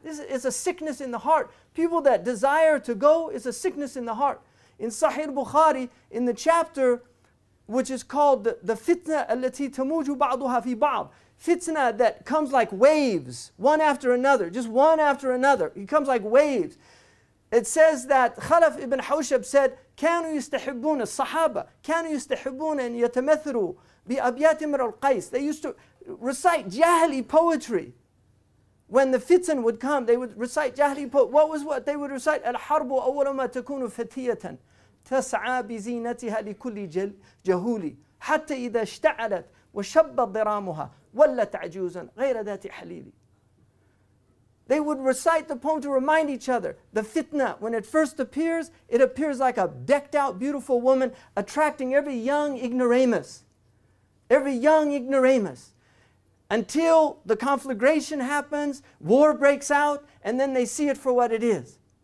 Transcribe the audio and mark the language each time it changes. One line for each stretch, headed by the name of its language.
English: This is a sickness in the heart. People that desire to go is a sickness in the heart. In Sahih Bukhari, in the chapter, which is called the
Arabic: fitna allati tamuju ba'duha fi ba'd,
English: fitna that comes like waves, one after another, just one after another. It comes like waves. It says that Khalaf ibn Hawshab said,
Arabic: كانوا يستحبون الصحابة كانوا يستحبون أن يتمثلوا بأبيات من القيس.
English: They used to recite jahili poetry. When the fitna would come, they would recite jahili poetry. What was what? They would recite,
Arabic: الحرب أول ما تكون فتية تسعى بزينتها لكل جهولي حتى إذا اشتعلت وشبت ضرامها ولت عجوزا غير ذات حليلي.
English: They would recite the poem to remind each other. The fitna, when it first appears, it appears like a decked out beautiful woman attracting every young ignoramus. Every young ignoramus. Until the conflagration happens, war breaks out, and then they see it for what it is.